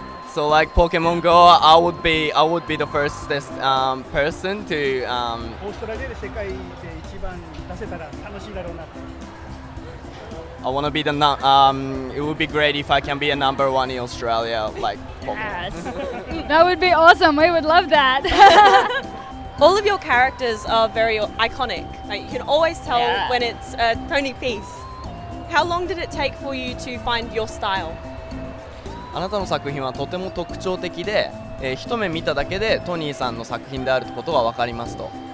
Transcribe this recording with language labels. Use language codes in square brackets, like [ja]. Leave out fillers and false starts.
[en] So like Pokemon Go, I would be the first person to [ja] オーストラリアで世界で一番出せたら楽しいだろうなって。 [en] I want to be the it would be great if I can be a number one in Australia, like Yes, that would be awesome. We would love that. All of your characters are very iconic. Like, you can always tell yeah. when it's a Tony piece. How long did it take for you to find your style? [ja] あなたの作品はとても特徴的で、一目見ただけでトニーさんの作品であることがわかりますと。